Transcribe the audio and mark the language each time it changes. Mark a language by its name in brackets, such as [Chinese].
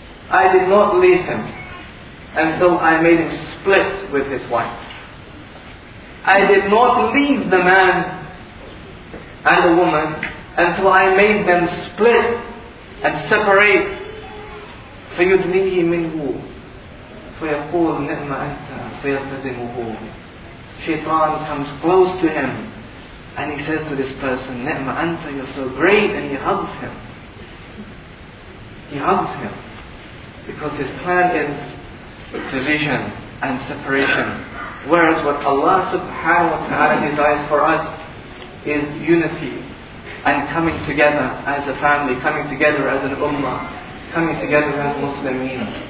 [English] I did not leave him until I made him split with his wife. I did not leave the man and the woman until I made them split and separate. [Arabic] فيدنيه منه فيقول نعم أنت فيلتزمه. [English] Shaitan comes close to him and he says to this person, [Arabic] Ni'ma anta, [English] you're so great, and he hugs him. He hugs him. Because his plan is division and separation. Whereas what Allah subhanahu wa ta'ala desires for us is unity and coming together as a family, coming together as an ummah, coming together as Muslimin.